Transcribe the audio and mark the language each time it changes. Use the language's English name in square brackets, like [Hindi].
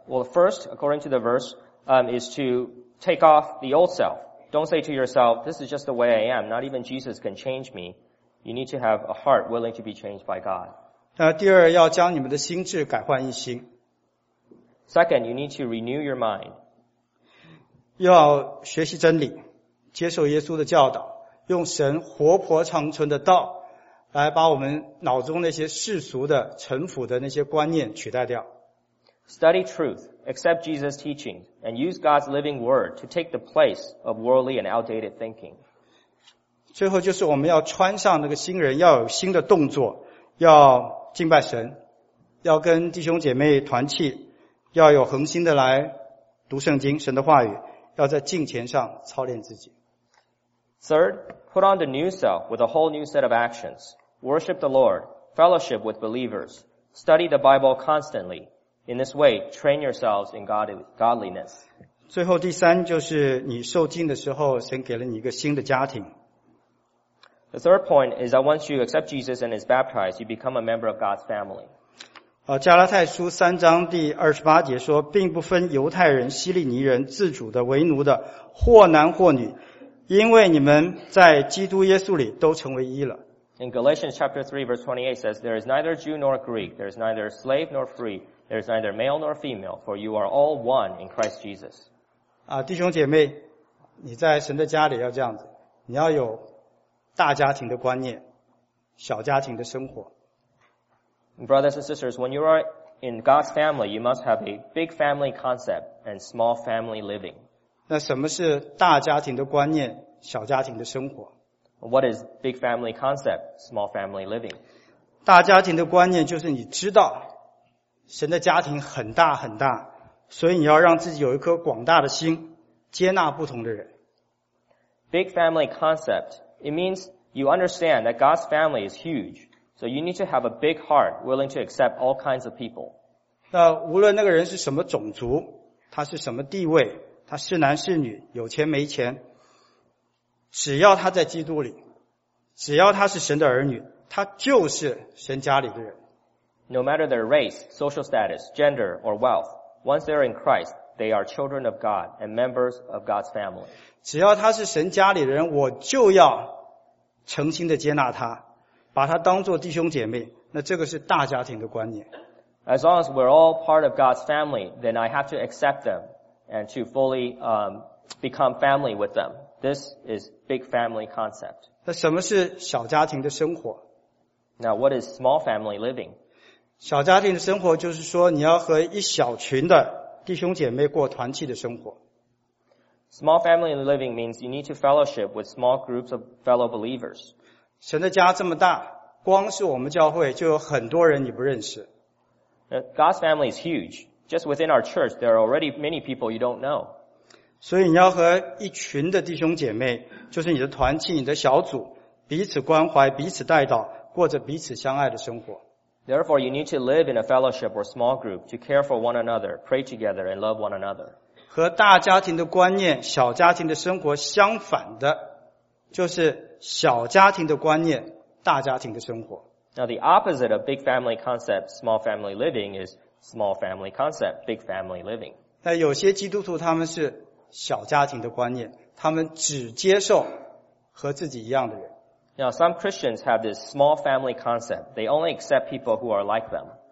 [English] Well, first, according to the verse, is to take off the old self. Don't say to yourself, this is just the way I am. Not even Jesus can change me. You need to have a heart willing to be changed by God. [Chinese] 第二，要将你们的心智改换一新。 [English] Second, you need to renew your mind. [Chinese] 要学习真理，接受耶稣的教导，用神活泼长存的道来把我们脑中那些世俗的、陈腐的那些观念取代掉。 [English] Study truth, accept Jesus' teaching, and use God's living word to take the place of worldly and outdated thinking. [Chinese] 最后就是我们要穿上那个新人，要有新的动作，要敬拜神，要跟弟兄姐妹团契，要有恒心的来读圣经，神的话语，要在敬虔上操练自己。 [English] Third, put on the new self with a whole new set of actions. Worship the Lord, fellowship with believers, study the Bible constantly. In this way, train yourselves in godliness. [Chinese] 最后第三就是你受浸的时候，神给了你一个新的家庭。 [English] The third point is that once you accept Jesus and is baptized, you become a member of God's family. [Chinese] 加拉太书三章第二十八节说，并不分犹太人、希利尼人、自主的、为奴的，或男或女，因为你们在基督耶稣里都成为一了。 [English] In Galatians chapter 3 verse 28 says, There is neither Jew nor Greek, there is neither slave nor free, there is neither male nor female, for you are all one in Christ Jesus. [Chinese] 弟兄姐妹，你在神的家里要这样子，你要有大家庭的观念，小家庭的生活。 [English] Brothers and sisters, when you are in God's family, you must have a big family concept and small family living. [Chinese] 那什么是大家庭的观念，小家庭的生活。 [English] What is big family concept, small family living? [Chinese] 大家庭的观念就是你知道神的家庭很大很大，所以你要让自己有一颗广大的心，接纳不同的人。 [English] Big family concept, it means you understand that God's family is huge, so you need to have a big heart willing to accept all kinds of people. [Chinese] 那无论那个人是什么种族，他是什么地位，他是男是女，有钱没钱，只要他在基督里，只要他是神的儿女，他就是神家里的人。 [English] No matter their race, social status, gender, or wealth, once they are in Christ, they are children of God and members of God's family. [Chinese] 只要他是神家里的人，我就要诚心的接纳他，把他当作弟兄姐妹，那这个是大家庭的观念。 [English] As long as we're all part of God's family, then I have to accept them and to fully, become family with them. This is big family concept. [Chinese] 那什么是小家庭的生活？ [English] Now, what is small family living? [Chinese] 小家庭的生活就是说你要和一小群的弟兄姐妹过团契的生活。 [English] Small family living means you need to fellowship with small groups of fellow believers. [Chinese] 神的家这么大，光是我们教会就有很多人你不认识。 [English] God's family is huge. Just within our church, there are already many people you don't know. [Chinese] 所以你要和一群的弟兄姐妹，就是你的团契、你的小组，彼此关怀、彼此带导，过着彼此相爱的生活。 [English] Therefore, you need to live in a fellowship or small group to care for one another, pray together, and love one another. [Chinese] 和大家庭的观念、小家庭的生活相反的，就是小家庭的观念、大家庭的生活。 [English] Now the opposite of big family concept, small family living is small family concept, big family living. [Chinese] 那有些基督徒他们是小家庭的观念，他们只接受和自己一样的人。 [English] Now some Christians have this small family concept. They only accept people who are like them.